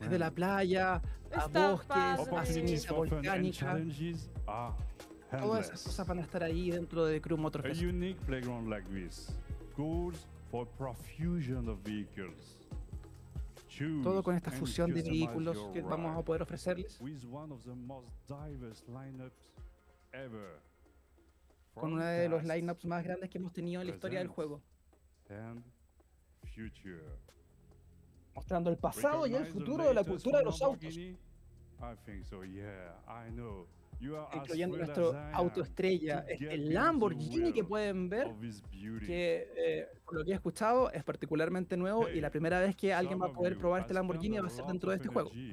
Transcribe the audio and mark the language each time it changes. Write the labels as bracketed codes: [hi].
[es] Desde la playa, a bosques, a ceniza volcánica. [en] Challenges are endless. [es] Todas esas cosas van a estar ahí dentro de Crew Motorfest. [en] A unique playground like this calls for a profusion of vehicles. [es] Todo con esta fusión de vehículos que vamos a poder ofrecerles. [en] With one of the most diverse lineups ever. [es] Con una de los lineups más grandes que hemos tenido en la historia del juego. [en] And future. [es] Mostrando el pasado y el futuro de la cultura de los autos. [en] I think so, yeah, I know. You are [es] incluyendo well nuestro auto estrella, el Lamborghini que pueden ver, que por lo que he escuchado es particularmente nuevo, hey, y la primera vez que alguien va a poder probar este Lamborghini va a ser dentro de este juego.